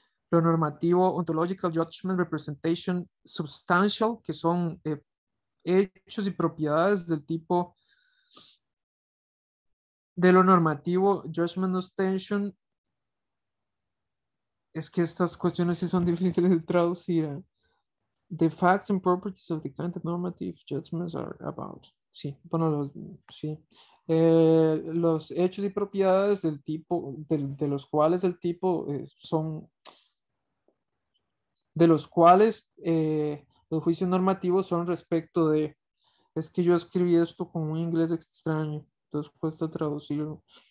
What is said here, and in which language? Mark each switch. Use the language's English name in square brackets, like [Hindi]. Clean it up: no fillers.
[Spanish] Lo normativo, [English] ontological judgment, representation, substantial, [Spanish] que son hechos y propiedades del tipo de lo normativo, [English] judgment, ostension. [Spanish] Es que estas cuestiones sí son difíciles de traducir. [English] The facts and properties of the kind of normative judgments are about. [Spanish] Sí, bueno, sí. Los hechos y propiedades del tipo, de los cuales el tipo son, de los cuales los juicios normativos son respecto de. Es que yo escribí esto con un inglés extraño, entonces cuesta traducirlo.